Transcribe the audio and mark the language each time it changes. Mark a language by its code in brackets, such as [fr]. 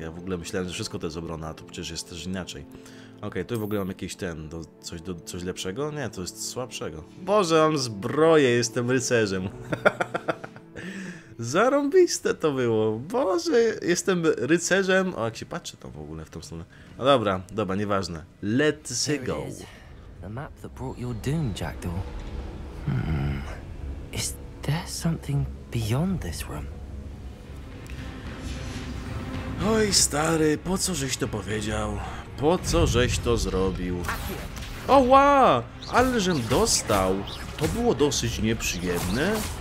[pl] Ja w ogóle myślałem, że wszystko to jest obrona, a to przecież jest też inaczej. Okej, okay, tu w ogóle mam jakiś ten, coś lepszego? Nie, to jest słabszego. Boże, mam zbroję, jestem rycerzem. Zarąbiste to było. Boże, jestem rycerzem. O, jak się patrzy to w ogóle w tą stronę. No dobra, dobra, nieważne. [en] Let's go. The map that brought your doom, Jackdaw. Is there something beyond this room? [pl] Oj, stary, po co żeś to powiedział? Po co żeś to zrobił? Oła! Ale żem dostał! To było dosyć nieprzyjemne.